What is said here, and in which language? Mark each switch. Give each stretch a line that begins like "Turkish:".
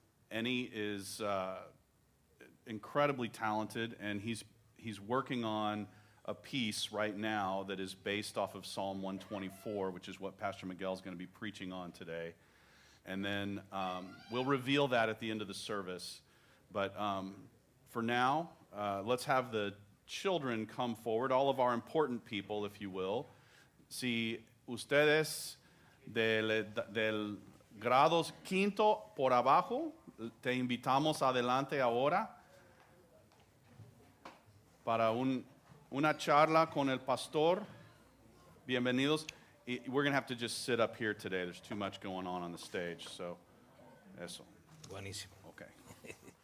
English: Annie is incredibly talented, and he's working on a piece right now that is based off of Psalm 124, which is what Pastor Miguel is going to be preaching on today. And then we'll reveal that at the end of the service. But for now, let's have the children come forward, all of our important people, if you will.
Spanish: Si ustedes del grado quinto por abajo, te invitamos adelante ahora para una charla con el pastor. Bienvenidos.
English: We're going to have to just sit up here today. There's too much going on the stage. So, eso.
Spanish: Buenísimo.
English: Okay.